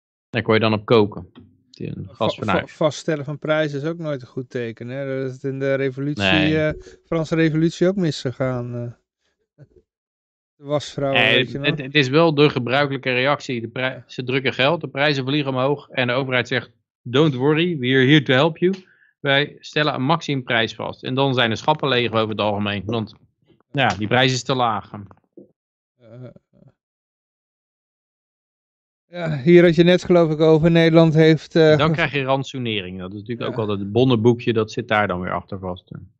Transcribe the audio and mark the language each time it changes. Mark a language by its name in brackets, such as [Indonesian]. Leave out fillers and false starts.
[Dutch] Daar kon je dan op koken. Vaststellen van prijzen is ook nooit een goed teken. Hè? Dat is het in de revolutie, nee. Franse revolutie ook misgegaan. De wasvrouw, weet je nog. Het is wel de gebruikelijke reactie. Ze drukken geld, de prijzen vliegen omhoog. En de overheid zegt, [English] don't worry, we are here to help you. [Dutch] Wij stellen een maximumprijs vast. En dan zijn de schappen leeg over het algemeen. Want ja, die prijs is te laag. Ja, hier had je net geloof ik over, Nederland heeft... Dan krijg je rantsoenering. Dat is natuurlijk ook altijd het bonnenboekje, dat zit daar dan weer achter vast.